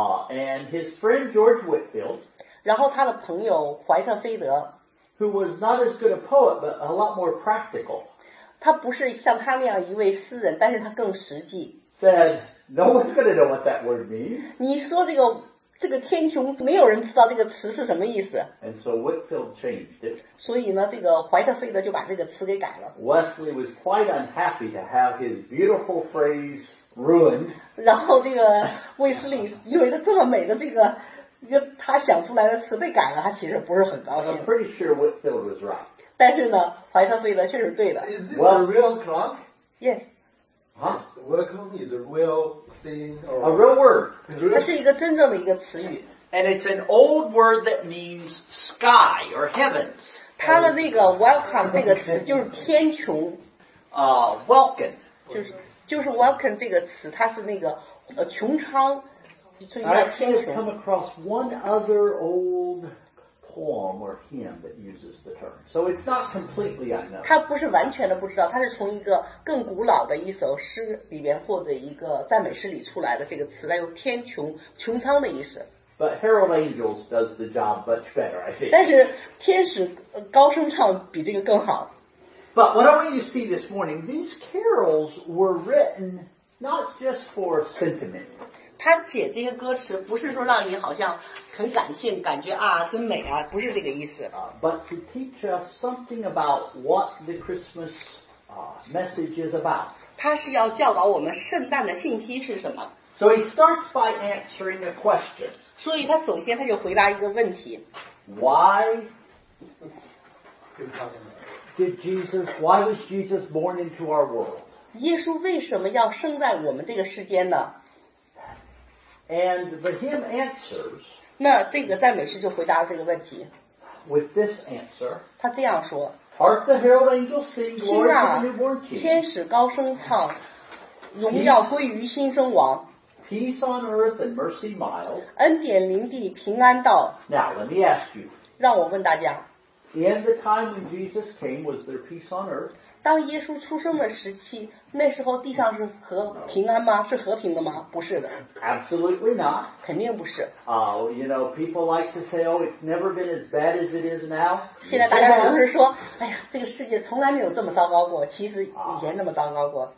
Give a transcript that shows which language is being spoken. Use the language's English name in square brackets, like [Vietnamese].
[English] And his friend George Whitfield. [Chinese] 然后他的朋友怀特菲德 [English] ，who was not as good a poet but a lot more practical， [Chinese] 他不是像他那样一位诗人，但是他更实际。 [English] Said no one's going to know what that word means。 [Chinese] 你说这个天穹，没有人知道这个词是什么意思。 [English] And so Whitfield changed it。 [Chinese] 所以呢，这个怀特菲德就把这个词给改了。 [English] Wesley was quite unhappy to have his beautiful phrase ruined。 [Chinese] 然后这个卫斯理有一个这么美的这个。一个他想出来的词被改了，他其实不是很高兴。 [English] I'm pretty sure Whitfield was right. [Chinese] 但是呢，怀特菲德确实对的。 [English] Is this well, a real clock? Yes. Huh? Welcome is a real thing or a real word? Real? [Chinese] 它是一个真正的一个词语。 [English] And it's an old word that means sky or heavens. [Chinese] 它的那个 welcome 这个词就是天穹。 [English] Welcome [Chinese] 就是 welcome 这个词，它是那个穹苍。 [English] I actually come across one other old poem or hymn that uses the term. So it's not completely unknown. [Chinese] 他不是完全的不知道，他是从一个更古老的一首诗里边或者一个赞美诗里出来的这个词，来用天穹穹苍的意思。 [English] But Herald Angels does the job much better, I think. [Chinese] 但是天使高声唱比这个更好。 [English] But what I want you to see this morning, these carols were written not just for sentiment. [Chinese] 他写这些歌词不是说让你好像很感性感觉啊真美啊不是这个意思。 [English] But to teach us something about what the Christmas message is about. [Chinese] 他是要教导我们圣诞的信息是什么。 [English] So he starts by answering a question. [Chinese] 所以他首先他就回答一个问题。 [English] Why? did Jesus, why was Jesus born into our world? [Chinese] 耶稣为什么要生在我们这个世间呢? [English] And the hymn answers, [Chinese] 那这个赞美诗就回答了这个问题。 [English] With this answer, [Chinese] 他这样说。 [English] Hark the herald angels sing, glory to the newborn king. [Chinese] 天使高声唱,荣耀归于新生王。 [English] Peace on earth and mercy mild. [Chinese] 恩典临地平安到。 [English] Now let me ask you. [Chinese] 让我问大家。 [English] In the time when Jesus came, was there peace on earth? [Chinese] 当耶稣出生的时期，那时候地上是和平安吗？是和平的吗？不是的。 [English] Absolutely not. [Chinese] 肯定不是。 [English] You know, people like to say, oh, it's never been as bad as it is now. [Chinese] 现在大家总是说，哎呀，这个世界从来没有这么糟糕过，其实以前那么糟糕过。